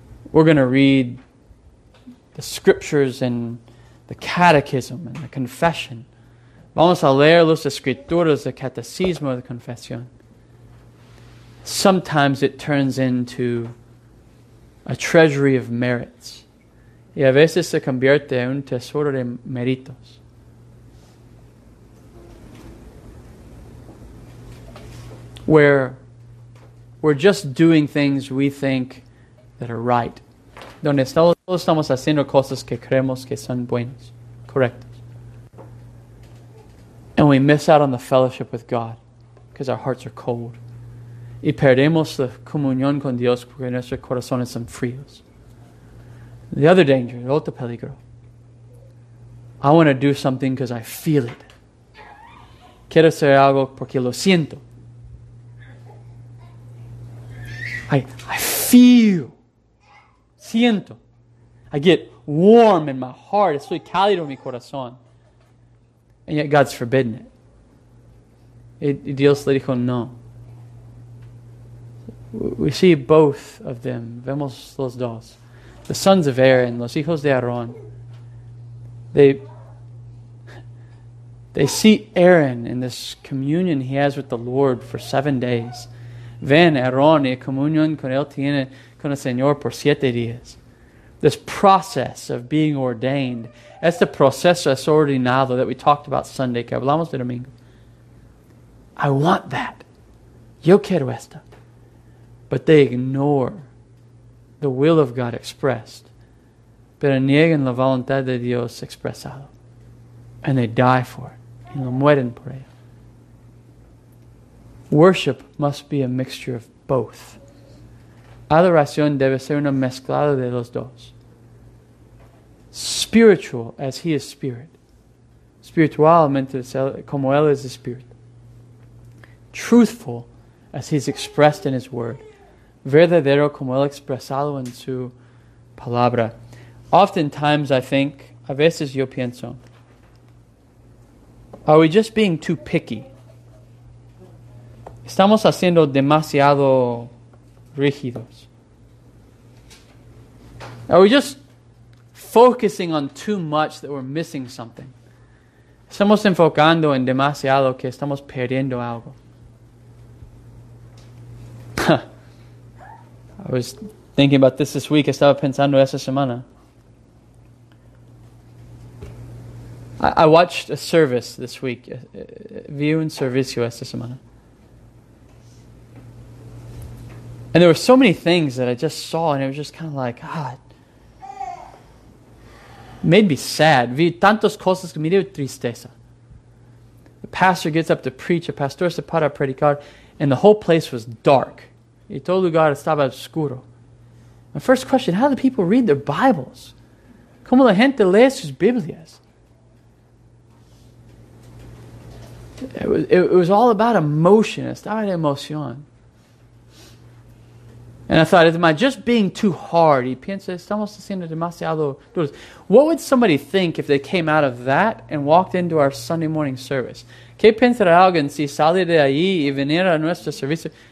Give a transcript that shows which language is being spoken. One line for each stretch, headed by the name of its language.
English: We're going to read the scriptures and the catechism and the confession.
Spanish: Vamos a leer las escrituras, el catecismo, la confesión.
English: Sometimes it turns into a treasury of merits.
Spanish: Y a veces se convierte en un tesoro de méritos.
English: Where we're just doing things we think that are right.
Spanish: Donde solo estamos haciendo cosas que creemos que son buenas, correctas.
English: And we miss out on the fellowship with God because our hearts are cold.
Spanish: Y perdemos la comunión con Dios porque nuestros corazones son fríos.
English: The other danger,
Spanish: el otro peligro.
English: I want to do something because I feel it.
Spanish: Quiero hacer algo porque lo siento.
English: I feel.
Spanish: Siento.
English: I get warm in my heart.
Spanish: Estoy cálido en mi corazón.
English: And yet God's forbidden it.
Spanish: Y Dios le dijo no.
English: We see both of them.
Spanish: Vemos los dos.
English: The sons of Aaron,
Spanish: los hijos de Aarón.
English: They see Aaron in this communion he has with the Lord for 7 days.
Spanish: Ven, Aaron, y comunión con él tiene con el Señor por 7 días.
English: This process of being ordained.
Spanish: Este proceso es ordenado
English: that we talked about Sunday,
Spanish: que hablamos de domingo.
English: I want that.
Spanish: Yo quiero esto.
English: But they ignore the will of God expressed.
Spanish: Pero niegan la voluntad de Dios expresado.
English: And they die for it.
Spanish: Y lo mueren por ello.
English: Worship must be a mixture of both.
Spanish: Adoración debe ser una mezclada de los dos.
English: Spiritual as he is spirit.
Spanish: Spiritualmente como él es spirit.
English: Truthful as he is expressed in his word.
Spanish: Verdadero como él expresado en su palabra.
English: Oftentimes I think,
Spanish: a veces yo pienso,
English: are we just being too picky?
Spanish: Estamos haciendo demasiado rígidos.
English: Are we just focusing on too much that we're missing something?
Spanish: Estamos enfocando en demasiado que estamos perdiendo algo.
English: I was thinking about this week.
Spanish: Estaba pensando esta semana.
English: I watched a service this week.
Spanish: Vi un servicio esta semana.
English: And there were so many things that I just saw, and it was just kind of like, made me sad.
Spanish: Vi tantas cosas que me dio tristeza.
English: The pastor gets up to preach,
Spanish: a pastor se para a predicar,
English: and the whole place was dark.
Spanish: Y todo lugar estaba oscuro.
English: My first question, how do people read their Bibles?
Spanish: ¿Cómo la gente lee sus Biblias?
English: It was all about emotion.
Spanish: Estaba de emoción.
English: And I thought, am I just being too hard?
Spanish: Y pienso, estamos haciendo demasiado duro.
English: What would somebody think if they came out of that and walked into our Sunday morning service?
Spanish: ¿Qué pensará alguien si sale de ahí y venir a nuestro servicio?